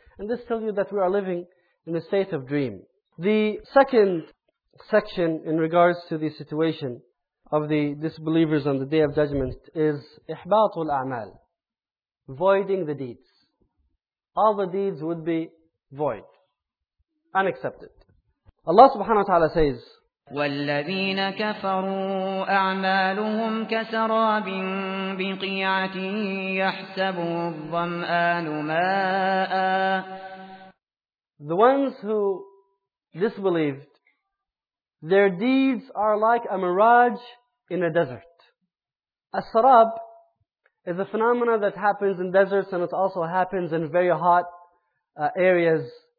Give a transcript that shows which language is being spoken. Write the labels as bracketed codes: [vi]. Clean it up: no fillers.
[en] And this tells you that we are living in a state of dream. The second section in regards to the situation of the disbelievers on the Day of Judgment is [ar] إِحْبَاطُ الْأَعْمَالِ [en] Voiding the deeds. All the deeds would be void, unaccepted. Allah subhanahu wa ta'ala says, [ar] والذين كفروا أعمالهم كسراب بقيعة يحسب الظمآن ماء [en] The ones who disbelieved, their deeds are like a mirage in a desert. A sarab is a phenomenon that happens in deserts and it also happens in very hot areas.